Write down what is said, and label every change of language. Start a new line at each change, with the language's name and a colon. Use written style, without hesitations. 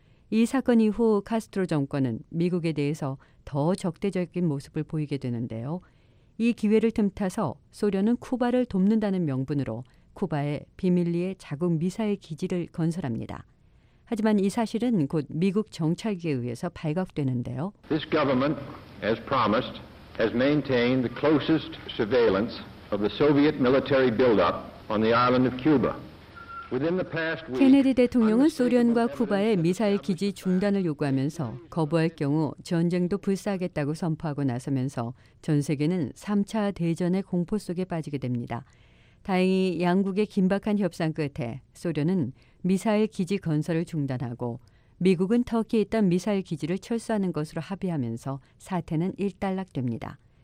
Korean: 이 사건 이후 카스트로 정권은 미국에 대해서 더 적대적인 모습을 보이게 되는데요. 이 기회를 틈타서 소련은 쿠바를 돕는다는 명분으로 쿠바에 비밀리에 자국 미사일 기지를 건설합니다. 하지만 이 사실은 곧 미국 정찰기에 의해서 발각되는데요.
English: This government, as promised, has maintained the closest surveillance of the Soviet military buildup on the island of Cuba.
Korean: 케네디 대통령은 소련과 쿠바의 미사일 기지 중단을 요구하면서 거부할 경우 전쟁도 불사하겠다고 선포하고 나서면서 전 세계는 3차 대전의 공포 속에 빠지게 됩니다. 다행히 양국의 긴박한 협상 끝에 소련은 미사일 기지 건설을 중단하고 미국은 터키에 있던 미사일 기지를 철수하는 것으로 합의하면서 사태는 일단락됩니다.